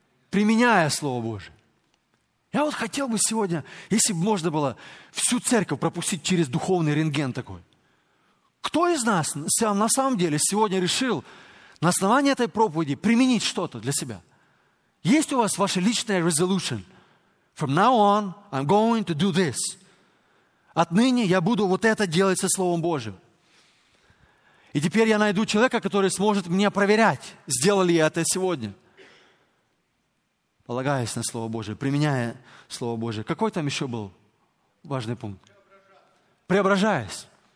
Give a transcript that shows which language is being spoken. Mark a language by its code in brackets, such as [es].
[ru] Применяя Слово Божие. Я вот хотел бы сегодня, если бы можно было всю церковь пропустить через духовный рентген такой. Кто из нас на самом деле сегодня решил на основании этой проповеди применить что-то для себя? Есть у вас ваша личная resolution? [en] From now on, I'm going to do this. [ru] Отныне я буду вот это делать со Словом Божиим. И теперь я найду человека, который сможет меня проверять, сделал ли я это сегодня. Полагаясь на Слово Божие, применяя Слово Божие. Какой там еще был важный пункт? Преображаясь.